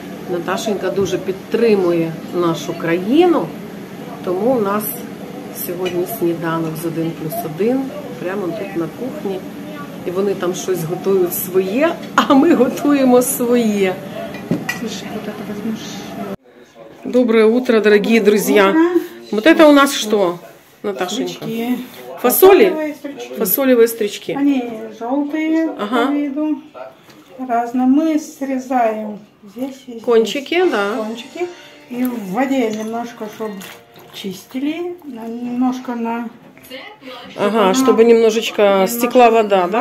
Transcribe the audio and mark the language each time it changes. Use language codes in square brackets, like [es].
[uk] Наташенька дуже підтримує нашу країну, тому у нас сьогодні сніданок з 1+1 прямо тут на кухні. І вони там щось готують своє, а ми готуємо своє. [ru] Доброе утро, [uk] дорогі друзі. Вот это у нас що, Наташенька? Фасолі? Фасолеві стрічки. Вони жовті, ага. По виду. Разно. Ми срізаємо здесь. [ru] Кончики, да. Кончики. [uk] І в воді немножко, щоб чистили. [ru] Немножко на... Ага, чтобы немножечко стекла вода, да?